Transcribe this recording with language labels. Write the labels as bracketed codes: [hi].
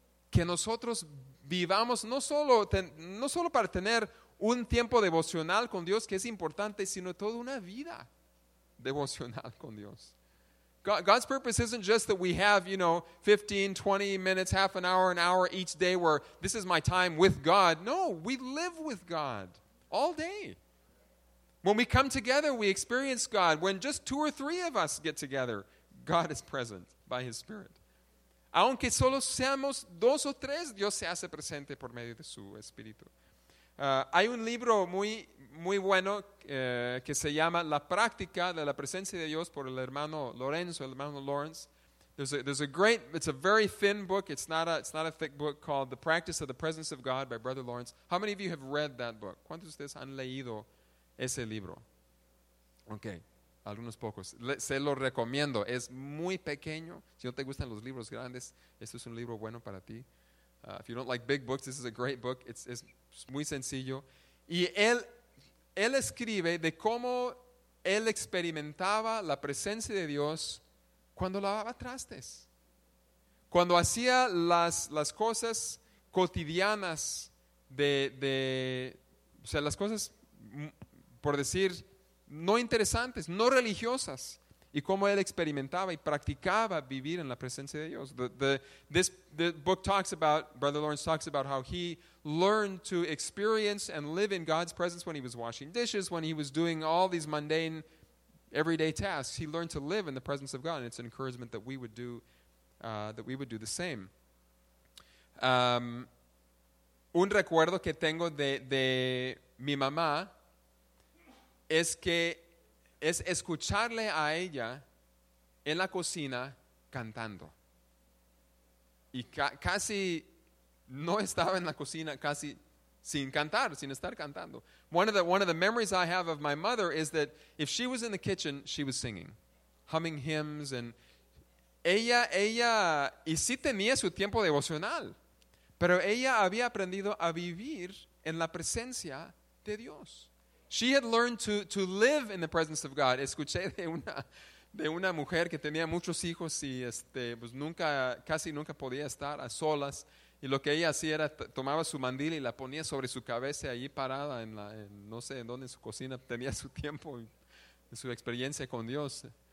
[es] Que nosotros vivamos no solo para tener un tiempo devocional con Dios, que es importante, sino toda una vida devocional con Dios. [en] God's purpose isn't just that we have, you know, 15, 20 minutes, half an hour each day where this is my time with God. No, we live with God all day. When we come together, we experience God. When just two or three of us get together, God is present by His Spirit. [es] Aunque solo seamos dos o tres, Dios se hace presente por medio de su Espíritu. Hay un libro muy, muy bueno que se llama La Práctica de la Presencia de Dios por el hermano Lorenzo, el hermano Lawrence. [en] It's a very thin book. It's not a thick book called The Practice of the Presence of God by Brother Lawrence. How many of you have read that book? [es] ¿Cuántos de ustedes han leído ese libro? Okay, algunos pocos. Se lo recomiendo. Es muy pequeño. Si no te gustan los libros grandes, este es un libro bueno para ti. [en] If you don't like big books, this is a great book. It's [es] muy sencillo. Y él escribe de cómo él experimentaba la presencia de Dios cuando lavaba trastes. Cuando hacía las cosas cotidianas de o sea, las cosas, por decir, no interesantes, no religiosas, y cómo él experimentaba y practicaba vivir en la presencia de Dios. The book talks about, Brother Lawrence talks about how he learned to experience and live in God's presence when he was washing dishes, when he was doing all these mundane, everyday tasks. He learned to live in the presence of God, and it's an encouragement that we would do the same. Un recuerdo que tengo de mi mamá es que es escucharle a ella en la cocina cantando. Y casi no estaba en la cocina casi sin cantar, sin estar cantando. One of the memories I have of my mother is that if she was in the kitchen, she was singing, humming hymns, and ella y sí tenía su tiempo devocional, pero ella había aprendido a vivir en la presencia de Dios. [en] She had learned to live in the presence of God. [es] Escuché de una mujer que tenía muchos hijos y pues nunca, casi nunca podía estar a solas. Y lo que ella hacía era tomaba su mandil y la ponía sobre su cabeza ahí parada en su cocina. Tenía su tiempo y su experiencia con Dios.